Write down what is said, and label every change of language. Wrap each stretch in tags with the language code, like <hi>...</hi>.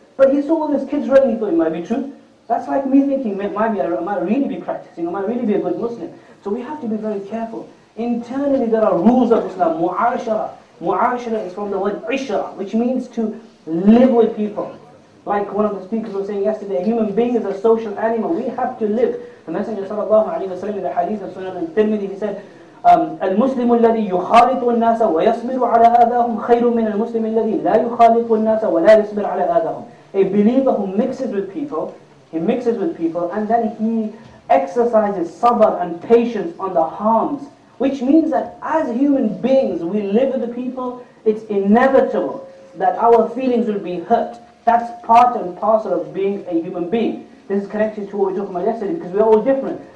<en>But he saw all these kids running, he thought it might be true. That's like me thinking, I might really be practicing, I might really be a good Muslim. So we have to be very careful. Internally, there are rules of Islam, mu'ashara. Mu'ashara is from the word ishara, which means to live with people. Like one of the speakers was saying yesterday, a human being is a social animal, we have to live. The Messenger sallallahu alayhi wa sallam in the hadith of Sunan al-Tirmidhi, he said,</en> <ar>المسلم الذي يخالط الناس ويصبر على أذاهم خير من المسلم الذي لا يخالط الناس ولا يصبر على أذاهم.</ar> <en>a believer who mixes with people, and then he exercises sabr and patience on the harms, which means that as human beings, we live with the people, it's inevitable that our feelings will be hurt. That's part and parcel of being a human being. This is connected to what we talked about yesterday, because we're all different.</en>